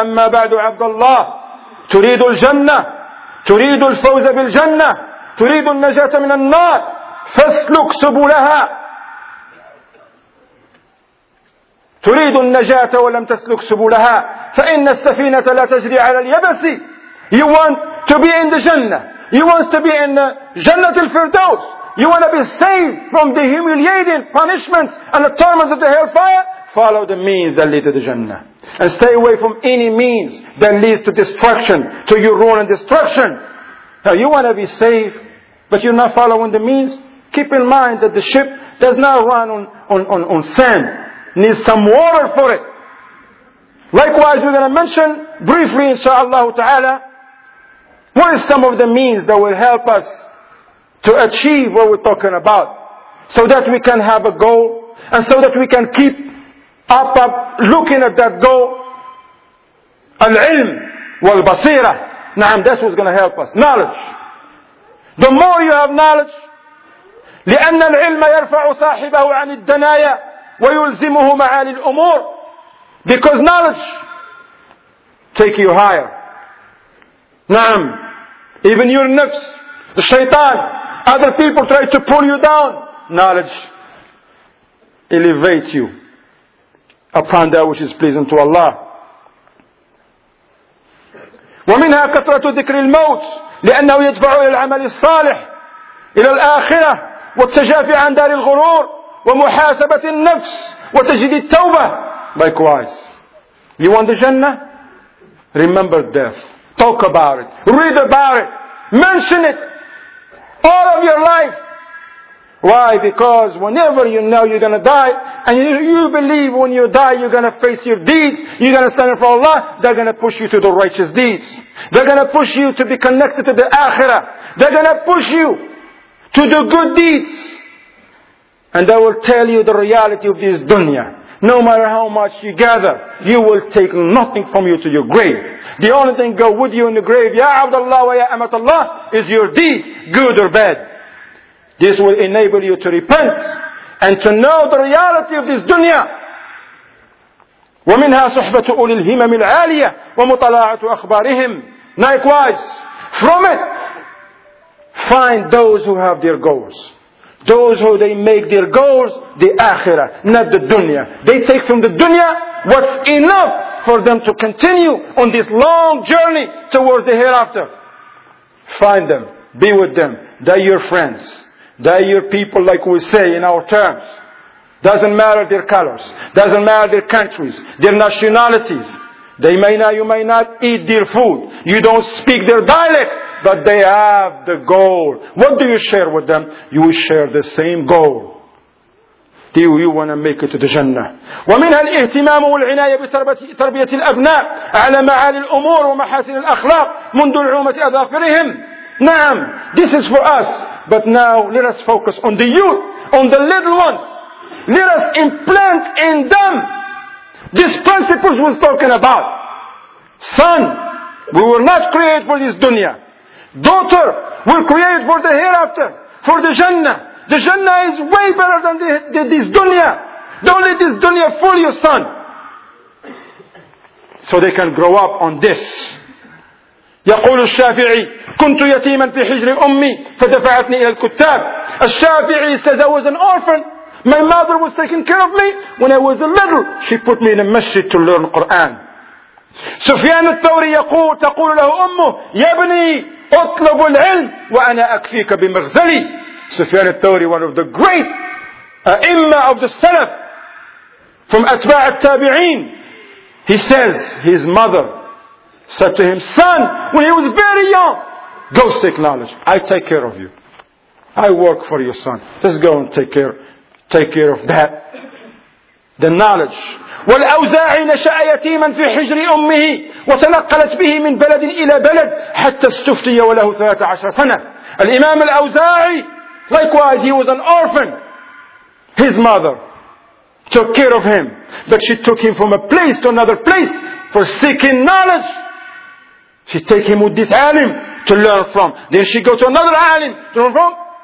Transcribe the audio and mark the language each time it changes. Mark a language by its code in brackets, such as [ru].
[ar] أما بعد، عبد الله، تريد الجنة؟ تريد الفوز بالجنة؟ تريد النجاة من النار؟ فاسلك سبلها. تريد النجاة ولم تسلك سبلها فإن السفينة لا تجري على اليبس. [en] You want to be in the Jannah. You want to be in the Jannah al-Firdaus. You want to be saved from the humiliating punishments and the torments of the hellfire. Follow the means that lead to the Jannah. And stay away from any means that leads to destruction, to your ruin and destruction. Now you want to be saved, but you're not following the means. Keep in mind that the ship does not run on sand. Needs some water for it. Likewise, we're going to mention briefly, inshaAllah ta'ala, what is some of the means that will help us to achieve what we're talking about, so that we can have a goal, and so that we can keep up looking at that goal. [ar] Al-ilm wal-basira. Naam, [en] that's what's going to help us. Knowledge. The more you have knowledge, [ar] لأن العلم يرفع صاحبه عن الدنايا ويلزمه معالي الأمور. [en] Because knowledge take you higher. [ar] نعم. [en] Even your nafs, the shaitan, other people try to pull you down. Knowledge elevates you upon that which is pleasing to Allah. [ar] ومنها كثرة ذكر الموت لأنه يدفع إلى العمل الصالح إلى الآخرة والتجافي عن دار الغرور ومحاسبة النفس وتجديد التوبة. [en] Likewise, you want the Jannah? Remember death. Talk about it. Read about it. Mention it all of your life. Why? Because whenever you know you're going to die, and you believe when you die you're going to face your deeds, you're going to stand in front of Allah, they're going to push you to the righteous deeds. They're going to push you to be connected to the Akhirah. They're going to push you to do good deeds. And that will tell you the reality of this dunya. No matter how much you gather, you will take nothing from you to your grave. The only thing go with you in the grave, Ya Abdullah wa Ya Amatullah, is your deed, good or bad. This will enable you to repent and to know the reality of this dunya. [ar] ومنها صحبة أولي الهمم العالية ومطلاعة أخبارهم. [en] Likewise, from it, find those who have their goals. Those who they make their goals, the Akhirah, not the dunya. They take from the dunya what's enough for them to continue on this long journey towards the hereafter. Find them. Be with them. They're your friends. They're your people, like we say in our terms. Doesn't matter their colors. Doesn't matter their countries, their nationalities. You may not eat their food. You don't speak their dialect. But they have the goal. What do you share with them? You share the same goal. Do you want to make it to the Jannah? [ar] ومنها الاهتمام والعناية بتربية الأبناء على معالي الأمور ومحاسن الأخلاق منذ العومة أظافرهم. نعم. [en] This is for us. But now let us focus on the youth, on the little ones. Let us implant in them These principles we're talking about. Son, we were not created for this dunya. Daughter, we're created for the hereafter, for the Jannah. The Jannah is way better than this dunya. Don't let this dunya fool you, son. So they can grow up on this. [ar] يقول الشافعي كنت يتيما في حجر أمي فدفعتني إلى الكتاب. [en] الشافعي says I was an orphan. My mother was taking care of me when I was a little. She put me in a masjid to learn Quran. [ar] سفيان الثوري يقول تقول له أمه يا ابني اطلب العلم وأنا أكفيك بمغزلي. [en] سفيان الثوري, one of the great أئمة of the Salaf from [ar] أتباع التابعين, [en] he says his mother said to him, son, when he was very young, go seek knowledge. I take care of you. I work for you, son. Just go and take care of that. The knowledge. [ar] والأوزاعي نشأ يتيما في حجر أمه وتنقلت به من بلد إلى بلد حتى استفتي وله 13 سنة. [en] الإمام الأوزاعي, likewise, he was an orphan. His mother took care of him. But she took him from a place to another place for seeking knowledge. She take him with this alim to learn from. Then she go to another alim to learn from.